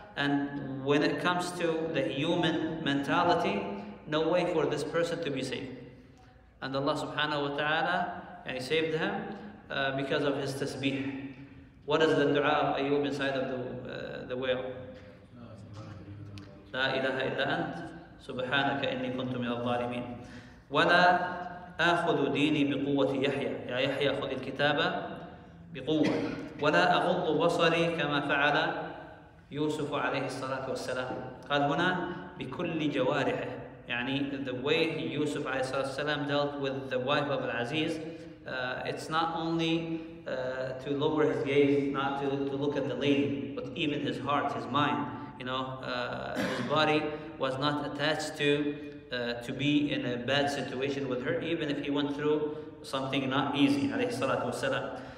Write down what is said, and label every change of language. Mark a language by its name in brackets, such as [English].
[English] And when it comes to the human mentality, no way for this person to be saved. And Allah subhanahu wa ta'ala, and he saved him because of his tasbih. What is the dua of Ayyub inside of the whale? [Arabic] لا إله إلا أنت سبحانك إني كنت من الظالمين. ولا أخذ ديني بقوة يحيى. يا يحيى خذ الكتابة بقوة. ولا أغض بصري كما فعل يوسف عليه الصلاة والسلام. قال هنا بكل جوارحه، يعني [English] the way يوسف عليه الصلاة والسلام dealt with the wife of Al-Aziz, it's not only to lower his gaze, not to look at the lady, but even his heart, his mind, you know, his body was not attached to be in a bad situation with her, even if he went through something not easy [Arabic] عليه الصلاة والسلام.